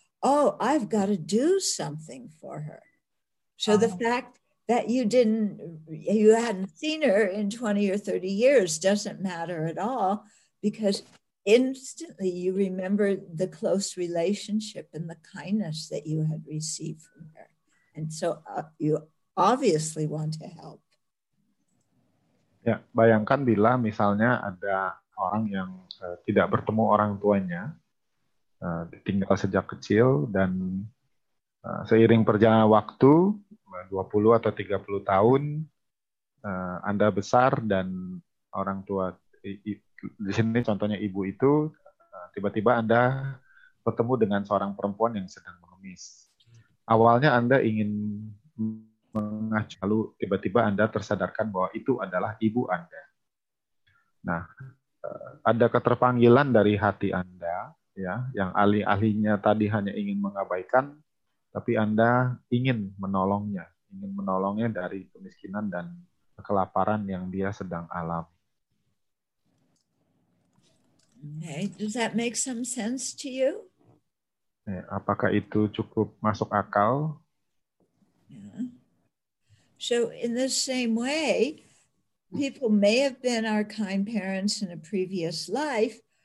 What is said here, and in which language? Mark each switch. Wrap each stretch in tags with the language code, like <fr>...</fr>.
<en>Oh, I've got to do something for her. So the fact that you hadn't seen her in 20 or 30 years doesn't matter at all, because instantly you remember the close relationship and the kindness that you had received from her. And so you obviously want to help.</en> <id>Ya, bayangkan bila misalnya ada orang yang tidak bertemu orang tuanya, ditinggal sejak kecil, dan seiring perjalanan waktu, 20 atau 30 tahun, Anda besar dan orang tua, di sini contohnya ibu itu, tiba-tiba Anda bertemu dengan seorang perempuan yang sedang mengemis. Awalnya Anda ingin mengacu, lalu tiba-tiba Anda tersadarkan bahwa itu adalah ibu Anda. Nah, ada keterpanggilan dari hati Anda, ya, yang ahli-ahlinya tadi hanya ingin mengabaikan, tapi Anda ingin menolongnya dari kemiskinan dan kelaparan yang dia sedang alami.</id> <en>Okay, does that make some sense to you?</en> <id>Apakah itu cukup masuk akal?</id> <en>Yeah. So in the same way, people may have been our kind parents in a previous life.</en>